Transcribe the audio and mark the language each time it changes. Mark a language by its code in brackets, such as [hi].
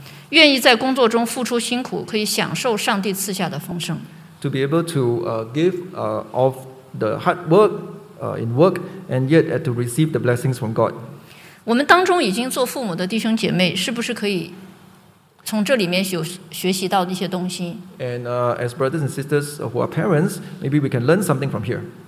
[zh] 愿意在工作中付出辛苦，可以享受上帝赐下的丰盛。 [en] To be able to give of the hard work in work, and yet to receive the blessings from God. [zh] 我们当中已经做父母的弟兄姐妹，是不是可以？从这里面学习到一些东西。 [en] And as brothers and sisters who are parents, maybe we can learn something from here.